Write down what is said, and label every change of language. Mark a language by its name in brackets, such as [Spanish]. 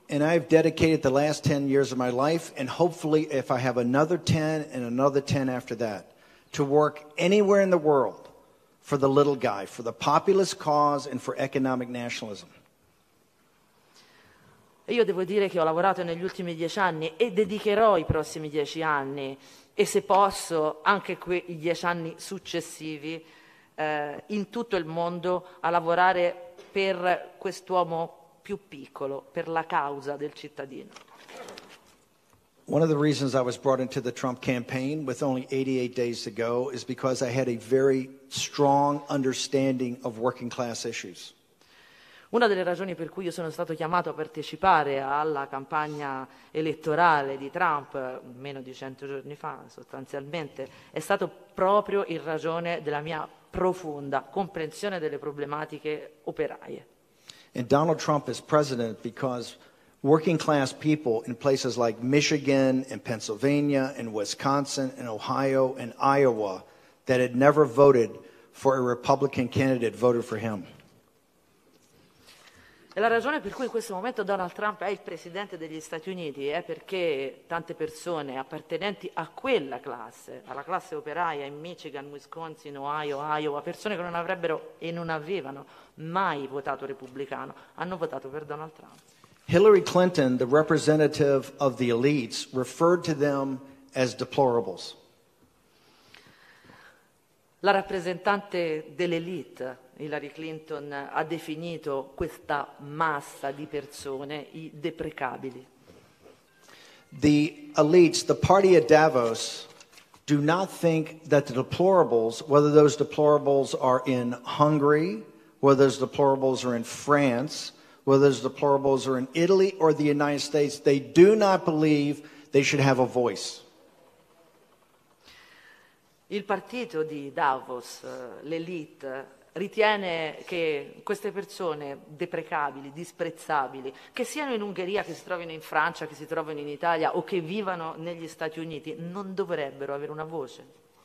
[English] And I've dedicated the last 10 years of my life, and hopefully if I have another 10 and another 10 after that, to work anywhere in the world for the little guy, for the populist cause and for economic nationalism. [Italian] Io devo dire che ho lavorato negli ultimi 10 anni e dedicherò i prossimi 10 anni e se posso anche quei 10 anni successivi in tutto il mondo a lavorare per quest'uomo più piccolo per la causa del cittadino. [English] One of the reasons I was brought into the Trump campaign with only 88 days to go is because I had a very strong understanding of working class issues. [Italian] Una delle ragioni per cui io sono stato chiamato a partecipare alla campagna elettorale di Trump, meno di 100 giorni fa sostanzialmente, è stato proprio in ragione della mia profonda comprensione delle problematiche operaie. [English] And Donald Trump is president because working class people in places like Michigan and Pennsylvania and Wisconsin and Ohio and Iowa that had never voted for a Republican candidate voted for him. [Italian] E la ragione per cui in questo momento Donald Trump è il presidente degli Stati Uniti è perché tante persone appartenenti a quella classe, alla classe operaia in Michigan, Wisconsin, Ohio, Iowa, persone che non avrebbero e non avevano mai votato repubblicano, hanno votato per Donald Trump. [English] Hillary Clinton, the representative of the elites, referred to them as deplorables. [Italian] La rappresentante dell'elite, Hillary Clinton, ha definito questa massa di persone i deprecabili. [English] The elites, the party at Davos, do not think that the deplorables, whether those deplorables are in Hungary, whether those deplorables are in France, whether those deplorables are in Italy or the United States, they do not believe they should have a voice. [Italian] Il partito di Davos, l'elite, ritiene che queste persone deprecabili, disprezzabili, che siano in Ungheria, che si trovino in Francia, che si trovino in Italia o che vivano negli Stati Uniti, non dovrebbero avere una voce.